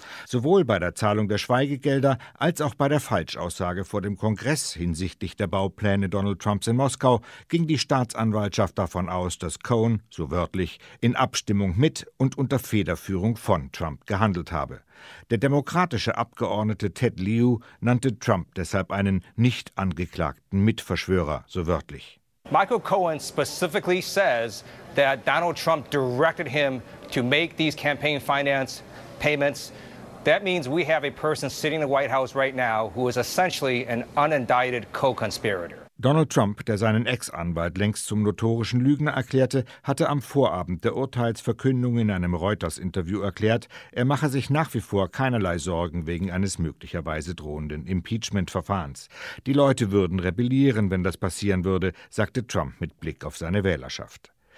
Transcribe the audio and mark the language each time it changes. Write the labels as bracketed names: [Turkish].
[German] Sowohl bei der Zahlung der Schweigegelder als auch bei der Falschaussage vor dem Kongress hinsichtlich der Baupläne Donald Trumps in Moskau ging die Staatsanwaltschaft davon aus, dass Cohen, so wörtlich, in Abstimmung mit und unter Federführung von Trump gehandelt habe. Der demokratische Abgeordnete Ted Lieu nannte Trump deshalb einen nicht angeklagten Mitverschwörer, so wörtlich. [English] Michael Cohen specifically says that Donald Trump directed him to make these campaign finance payments. That means we have a person sitting in the White House right now who is essentially an unindicted co-conspirator. [German] Donald Trump, der seinen Ex-Anwalt längst zum notorischen Lügner erklärte, hatte am Vorabend der Urteilsverkündung in einem Reuters-Interview erklärt, er mache sich nach wie vor keinerlei Sorgen wegen eines möglicherweise drohenden Impeachment-Verfahrens. Die Leute würden rebellieren, wenn das passieren würde, sagte Trump mit Blick auf seine Wählerschaft.